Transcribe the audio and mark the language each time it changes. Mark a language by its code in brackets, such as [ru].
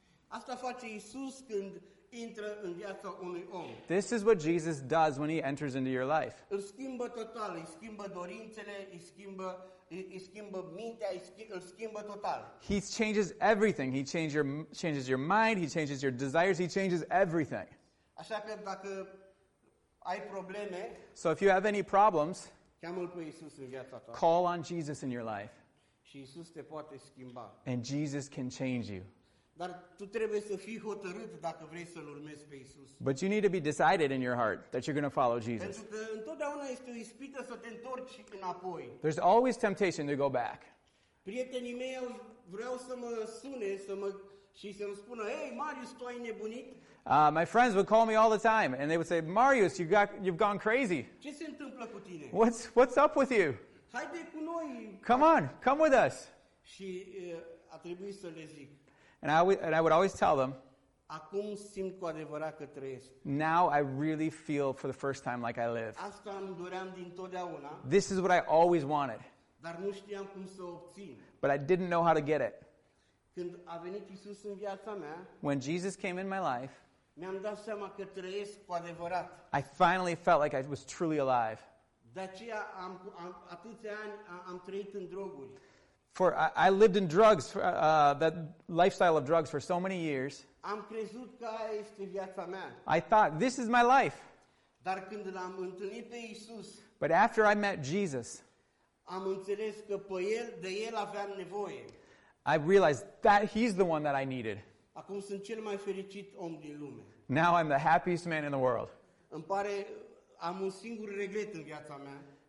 [ro] Asta face Iisus când intră în viața unui om. [en] This is what Jesus does when he enters into your life. [ro] Îl schimbă total, îi schimbă dorințele, îi schimbă mintea, îl schimbă total. [en] He changes everything. He changes your mind, he changes your desires, he changes everything. [ro] Așa că dacă ai probleme, [en] so if you have any problems, [ro] cheamă-l pe Iisus în viața ta. [en] Call on Jesus in your life. [ro] Și Iisus te poate schimba. [en] And Jesus can change you. [ro] Dar tu trebuie să fii hotărât dacă vrei să-L urmezi pe Iisus. [en] But you need to be decided in your heart that you're going to follow Jesus. [ro] Pentru că întotdeauna este o ispită să te întorci înapoi. [en] There's always temptation to go back. [ro] Prietenii mei vreau să mă sune și să-mi spună, hey, Marius, tu ai nebunit? [en] My friends would call me all the time and they would say, Marius, you've gone crazy. [ro] Ce se întâmplă cu tine? [en] What's up with you? [ro] Haide cu noi. [en] Come on, come with us. [ro] Și a trebuit să le zic. [en] And I would always tell them, [ro] acum simt cu adevărat că trăiesc. [en] Now I really feel for the first time like I live. [ro] Asta îmi doream dintotdeauna. [en] This is what I always wanted. [ro] Dar nu știam cum să obțin. [en] But I didn't know how to get it. [ro] Când a venit Iisus în viața mea, [en] when Jesus came in my life, [ro] mi-am dat seama că trăiesc cu adevărat. [en] I finally felt like I was truly alive. [ro] De aceea atâția ani am trăit în droguri. [en] For I lived in drugs, that lifestyle of drugs for so many years. [ro] Am crezut că aia este viața mea. [en] I thought, this is my life. [ro] Dar când l-am întâlnit pe Iisus, [en] but after I met Jesus, [ro] am înțeles că pe el, de el aveam nevoie. [en] I realized that he's the one that I needed. [ro] Acum sunt cel mai fericit om din lume. [en] Now I'm the happiest man in the world. [ro] Îmi pare, am un singur regret în viața mea.